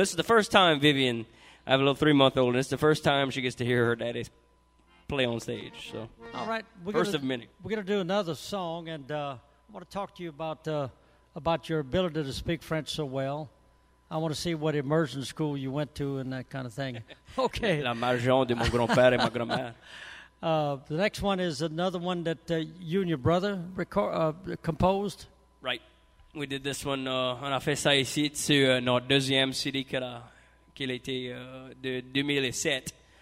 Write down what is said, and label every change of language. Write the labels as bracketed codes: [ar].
[en] This is the first time, Vivienne, I have a little 3-month-old, and it's the first time she gets to hear her daddy's play on stage. So, all right, we're gonna do another song, and I want to talk to you about your ability to speak French so well. I want to see what immersion school you went to and that kind of thing. Okay. [fr] La margeon de mon grand-père et ma grand-mère. [en] The next one is another one that you and your brother composed. Right, we did this one. [fr] On a fait ça ici sur notre deuxième CD qu'il était de 2007.